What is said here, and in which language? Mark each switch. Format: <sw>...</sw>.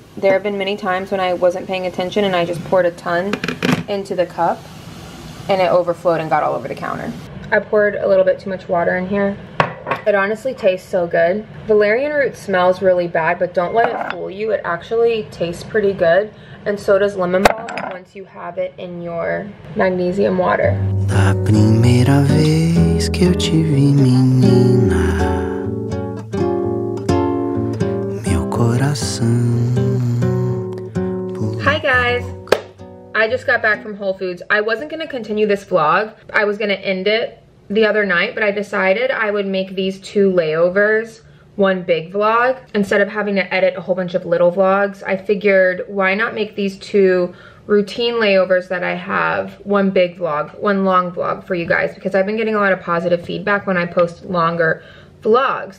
<en>There have been many times when I wasn't paying attention and I just poured a ton into the cup and it overflowed and got all over the counter. I poured a little bit too much water in here. It honestly tastes so good. Valerian root smells really bad, but don't let it fool you. It actually tastes pretty good, and so does lemon balm once you have it in your magnesium water.</en> <pt>A primeira vez que eu te vi, menina, meu coração.</pt> <en>Hi guys, I just got back from Whole Foods. I wasn't gonna continue this vlog. I was gonna end it the other night, but I decided I would make these two layovers one big vlog instead of having to edit a whole bunch of little vlogs. I figured, why not make these two routine layovers that I have one big vlog, one long vlog for you guys, because I've been getting a lot of positive feedback when I post longer vlogs.</en>